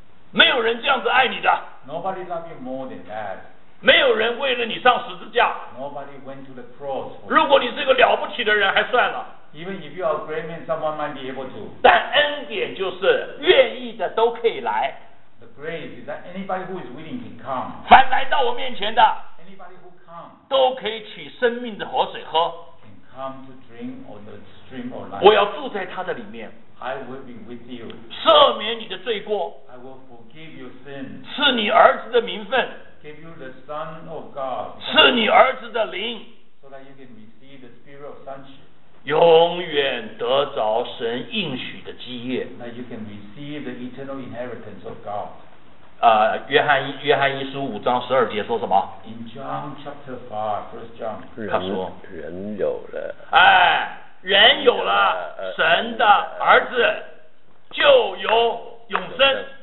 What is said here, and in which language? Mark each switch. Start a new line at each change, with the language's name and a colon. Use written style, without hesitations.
Chinese: 没有人这样子爱你的。
English: Nobody loves you more than that.
Chinese: 没有人为了你上十字架。
English: Nobody went to the cross.
Chinese: 如果你是个了不起的人还算了。
English: Even if you are a great man, someone might be able to.
Chinese: 但恩典就是愿意的都可以来。
English: The grace is that anybody who is willing can come.
Chinese: 凡来到我面前的。
English: Anybody who comes.
Chinese: 都可以取生命的活水喝。
English: Can come to drink or the stream of life.
Chinese: 我要住在他的里面。
English: I will be with you.
Chinese: 赦免你的罪过。
English: I will forgive your sin.
Chinese: 赐你儿子的名分。
English: Give you the Son of God,
Chinese: 是你儿子的灵，
English: so that you can receive the Spirit of Sonship,
Chinese: 永远得着神应许的基业，
English: that you can receive the eternal inheritance of God.
Chinese: 约翰一书五章十二节说什么？
English: In John chapter 5, first John,
Chinese: 他说，人有了，人有了神的儿子，就有永生。